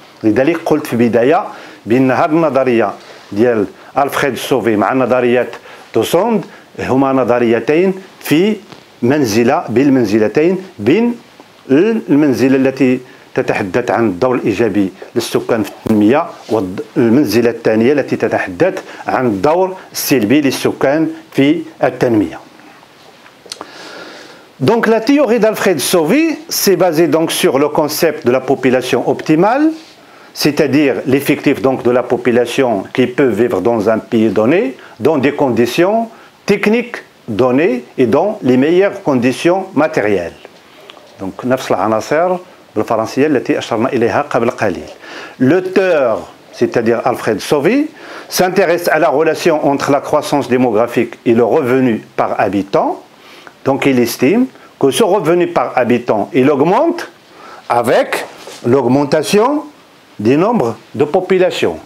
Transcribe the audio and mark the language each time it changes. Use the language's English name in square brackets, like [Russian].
[Arabic] لذلك قلت في بداية بأن هذه النظرية ديال ألفريد سوفي مع نظرية دوسوند هما نظريتين في منزلة بالمنزلتين، بين المنزلة التي تتحدث عن الدور الإيجابي للسكان في التنمية والمنزلة الثانية التي تتحدث عن الدور السلبي للسكان في التنمية. [French] Donc la théorie d'Alfred Sauvy s'est basée donc sur le concept de la population optimale, c'est-à-dire l'effectif donc de la population qui peut vivre dans un pays donné, dans des conditions techniques données et dans les meilleures conditions matérielles. [Arabic] Donc, نفس العناصر بالفرنسية التي أشرنا إليها قبل قليل. [French] L'auteur, c'est-à-dire Alfred Sauvy, s'intéresse à la relation entre la croissance démographique et le revenu par habitant. Donc, il estime que ce revenu par habitant, il augmente avec l'augmentation du nombre de population.